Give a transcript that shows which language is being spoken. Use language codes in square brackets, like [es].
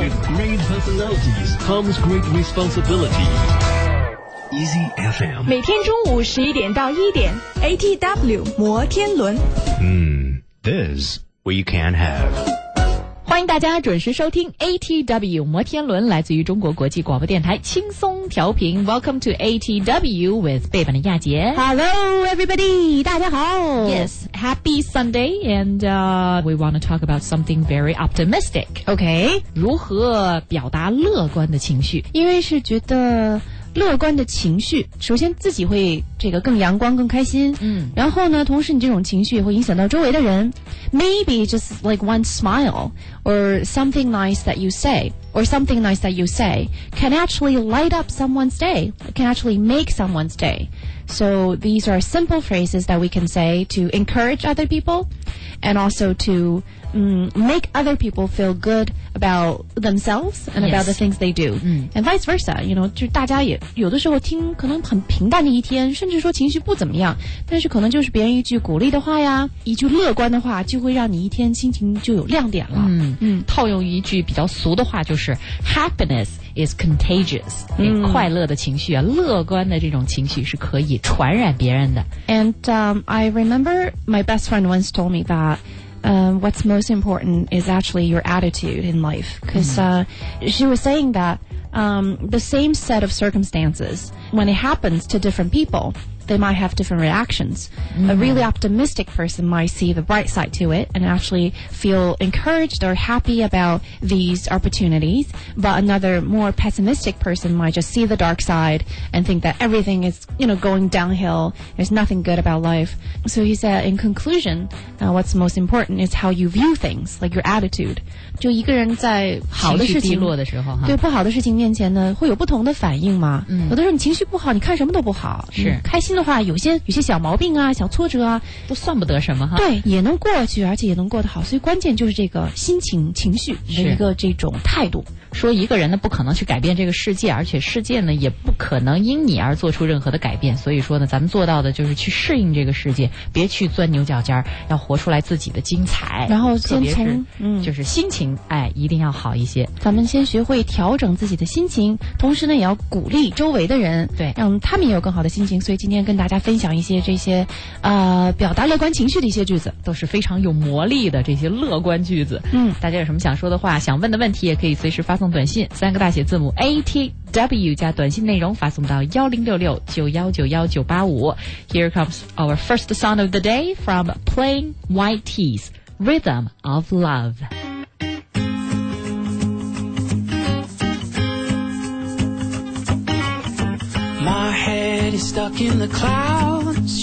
[en] with great personalities comes great responsibility Easy FM [zh] 每天中午十一点到一点 ATW 摩天轮 [en] This we can have [zh] 欢迎大家准时收听 ATW 摩天轮，来自于中国国际广播电台轻松调频。 [en] Welcome to ATW with 贝本的亚杰。 Hello, everybody, [zh] 大家好。 [en] Yes, Happy Sunday, and we want to talk about something very optimistic. Okay, [zh] 如何表达乐观的情绪？因为是觉得乐观的情绪，首先自己会这个更阳光、更开心。嗯，然后呢，同时你这种情绪也会影响到周围的人。 [en] Maybe just like one smile or something nice that you say or something nice that you say can actually light up someone's day, can actually make someone's day. So these are simple phrases that we can say to encourage other people and also to make other people feel good about themselves and about the things they do. And vice versa, you know, [zh] 就大家也有的时候听可能很平淡的一天，甚至说情绪不怎么样，但是可能就是别人一句鼓励的话呀，一句乐观的话，就会让你一天心情就有亮点了。套用一句比较俗的话，就是 [en] happiness is contagious. [zh] 快乐的情绪啊，乐观的这种情绪是可以传染别人的。 [en] And I remember my best friend once told me thatwhat's most important is actually your attitude in life. Because she was saying thatthe same set of circumstances, when it happens to different people, they might have different reactions. A really optimistic person might see the bright side to it and actually feel encouraged or happy about these opportunities. But another more pessimistic person might just see the dark side and think that everything is, you know, going downhill. There's nothing good about life. So he said, in conclusion, what's most important is how you view things, like your attitude. [zh] 就一个人在好的事情情绪低落的时候，对不好的事情面前呢，会有不同的反应嘛。有的时候你情绪不好，你看什么都不好。是开心的话，有些小毛病啊、小挫折啊，都算不得什么哈。对，也能过去，而且也能过得好。所以关键就是这个心情、情绪的一个这种态度。说一个人呢，不可能去改变这个世界，而且世界呢，也不可能因你而做出任何的改变。所以说呢，咱们做到的就是去适应这个世界，别去钻牛角尖，要活出来自己的精彩。然后先从就是心情。一定要好一些，咱们先学会调整自己的心情，同时呢也要鼓励周围的人，对，让他们也有更好的心情。所以今天跟大家分享一些这些表达乐观情绪的一些句子，都是非常有魔力的这些乐观句子。大家有什么想说的话，想问的问题，也可以随时发送短信，三个大写字母 ATW 加短信内容发送到10669191985。 [en] Here comes our first song of the day from Plain White Tees, Rhythm of Love My head is stuck in the clouds.